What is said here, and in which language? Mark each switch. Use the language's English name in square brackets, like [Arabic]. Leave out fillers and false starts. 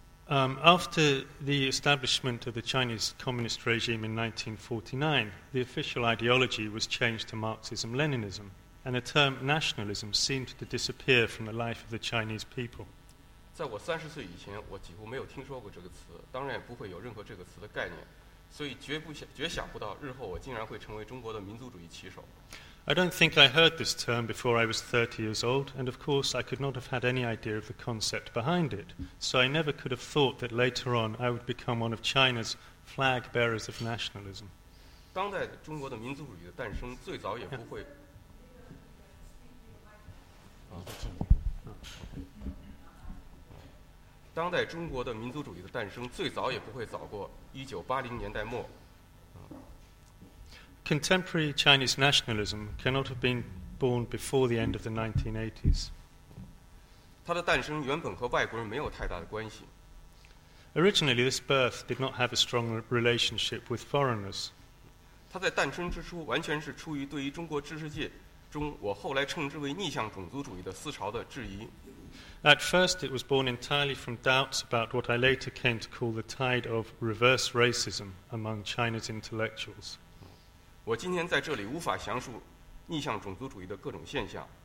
[English] After the establishment of the Chinese Communist regime in 1949, the official ideology was changed to Marxism-Leninism, and the term nationalism seemed to disappear from the life of the Chinese people. [Chinese] 在我30岁以前，我几乎没有听说过这个词，当然也不会有任何这个词的概念。 [English] I don't think I heard this term before I was 30 years old, and of course I could not have had any idea of the concept behind it, so I never could have thought that later on I would become one of China's flag bearers of nationalism. [Chinese] 当代中国的民族主义的诞生最早也不会 当代中国的民族主义的诞生最早也不会早过1980年代末。 [English] Contemporary Chinese nationalism cannot have been born before the end of the 1980s. [Chinese] 它的诞生原本和外国人没有太大的关系。 [English] Originally, this birth did not have a strong relationship with foreigners. [Chinese] 它在诞生之初完全是出于对于中国知识界中我后来称之为逆向种族主义的思潮的质疑。 [English] At first, it was born entirely from doubts about what I later came to call the tide of reverse racism among China's intellectuals. [Chinese] 我今天在这里无法详述逆向种族主义的各种现象。